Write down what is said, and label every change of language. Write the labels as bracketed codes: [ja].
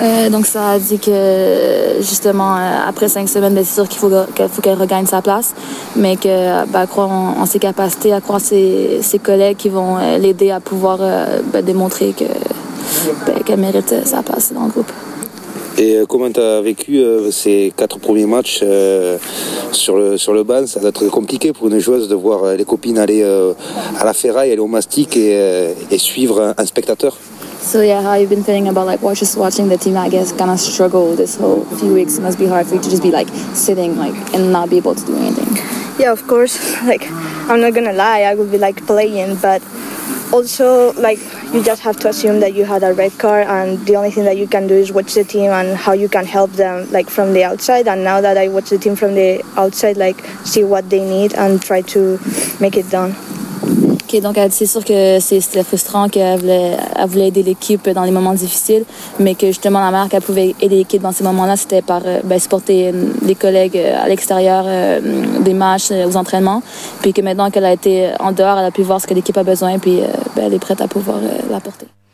[fr] Donc ça a dit que justement après 5 semaines, c'est sûr qu'il faut qu'elle regagne sa place, mais que bah, à croire en ses capacités, à croire ses collègues qui vont l'aider à pouvoir démontrer que qu'elle mérite sa place dans le groupe. Et comment tu as vécu ces 4 premiers matchs sur le banc? Ça doit être compliqué pour une joueuse de voir les copines aller à la ferraille, aller au mastic et suivre un spectateur. [en] So yeah, how you've been feeling about like just watching the team, I guess, kind of struggle this whole few weeks? It must be hard for you to just be like sitting like and not be able to do anything. Yeah, of course. Like, I'm not gonna lie, I would be like playing, but also like you just have to assume that you had a red card, and the only thing that you can do is watch the team and how you can help them like from the outside. And now that I watch the team from the outside, like see what they need and try to make it done. [fr] Ok, donc c'est sûr que c'était frustrant qu'elle voulait aider l'équipe dans les moments difficiles, mais que justement la manière qu'elle pouvait aider l'équipe dans ces moments-là, c'était par supporter les collègues à l'extérieur des matchs, aux entraînements, puis que maintenant qu'elle a été en dehors, elle a pu voir ce que l'équipe a besoin, puis elle est prête à pouvoir l'apporter.